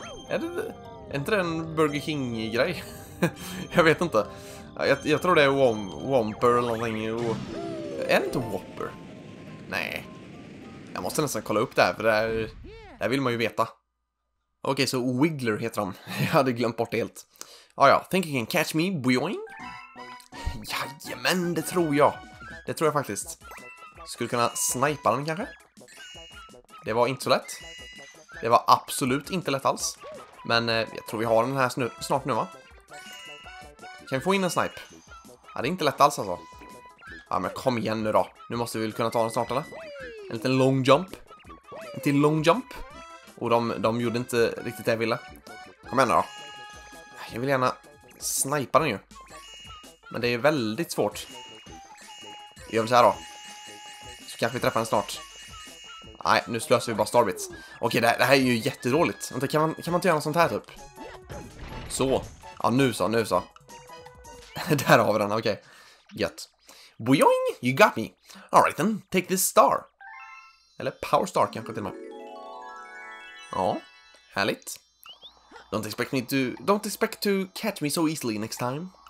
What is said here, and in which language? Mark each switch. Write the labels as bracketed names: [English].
[Swedish] Är inte det en Burger King-grej? Jag vet inte. Jag tror det är Womper eller någonting. Är det inte Whopper? Nej. Jag måste nästan kolla upp det här, för det här vill man ju veta. Okej, så Wiggler heter de. Jag hade glömt bort det helt. [English] Ja, think you can catch me, boing? [Swedish] Jajamän, det tror jag. Det tror jag faktiskt. Skulle kunna snipa den kanske? Det var inte så lätt. Det var absolut inte lätt alls. Men jag tror vi har den här snart nu, va? Kan vi få in en snipe? Ja, det är inte lätt alls alltså. Ja, men kom igen nu då. Nu måste vi väl kunna ta den snart, eller? En liten long jump. En till long jump. Och de gjorde inte riktigt det jag ville. Kom igen då. Jag vill gärna snipa den ju. Men det är väldigt svårt. Vi gör väl så här då. Så kanske vi träffar den snart. Nej, nu slösar vi bara starbits. Okej, det här är ju jättedåligt. Vänta, kan man inte göra något sånt här typ? Så. Ja, nu så. Där har vi den, okej. Gött. [English] Boing, you got me. All right then, take this star. [Swedish] Eller Power Star kanske till och med. Ja, härligt. [English] Don't expect to catch me so easily next time.